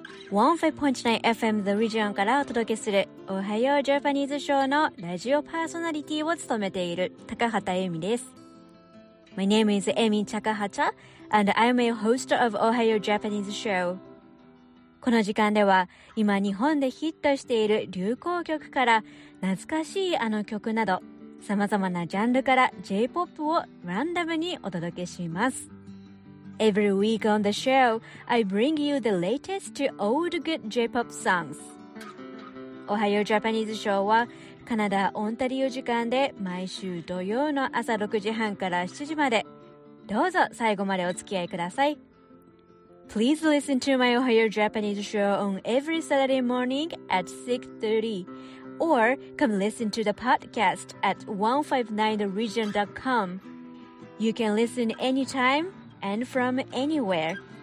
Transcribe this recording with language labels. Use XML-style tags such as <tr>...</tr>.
<ja>15.9 FM The Region からお届けするおはようジャパニーズショーのラジオパーソナリティを務めている高畑恵美です。</ja> <en>My name is Amy Takahata and I'm a host of おはよう Japanese Show。</en> <ja>この時間では今日本でヒットしている流行曲から懐かしいあの曲など、さまざまなジャンルから J-POP をランダムにお届けします。</ja> <en>Every week on the show, I bring you the latest to old good J-POP songs.</en> <ja>おはようジャパニーズショーはカナダ・オンタリオ時間で毎週土曜の朝6時半から7時まで。どうぞ最後までお付き合いください。</ja> <en>Please listen to my おはようジャパニーズショー on every Saturday morning at 6:30. Or come listen to the podcast at 159theregion.com. You can listen anytime and from anywhere.</en>